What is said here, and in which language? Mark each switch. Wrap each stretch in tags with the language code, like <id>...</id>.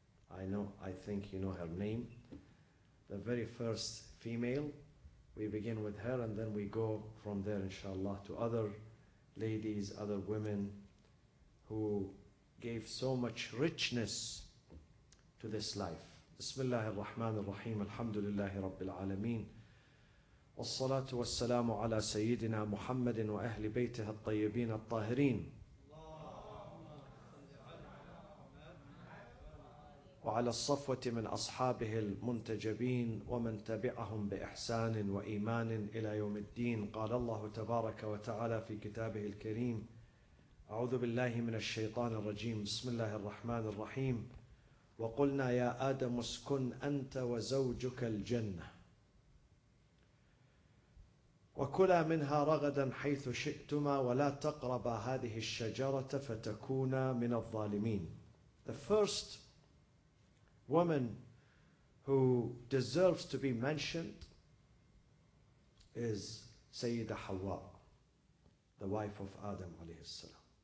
<en>I think you know her name. The very first female. We begin with her and then we go from there, inshallah, to other ladies, other women who gave so much richness to this life.</en> <ar>بسم الله الرحمن الرحيم الحمد لله رب العالمين والصلاة والسلام على سيدنا محمد وأهل بيته الطيبين الطاهرين وعلى الصفوة من أصحابه المنتجبين ومن تبعهم بإحسان وإيمان إلى يوم الدين. قال الله تبارك وتعالى في كتابه الكريم: أعوذ بالله من الشيطان الرجيم. بسم الله الرحمن الرحيم. وقلنا يا آدم اسكن أنت وزوجك الجنة وكلا منها رغدا حيث شئتما ولا تقربا هذه الشجرة فتكونا من الظالمين.</ar> <en>The first woman who deserves to be mentioned is Sayyida Hawa, the wife of Adam</en> <ar>عليه السلام.</ar>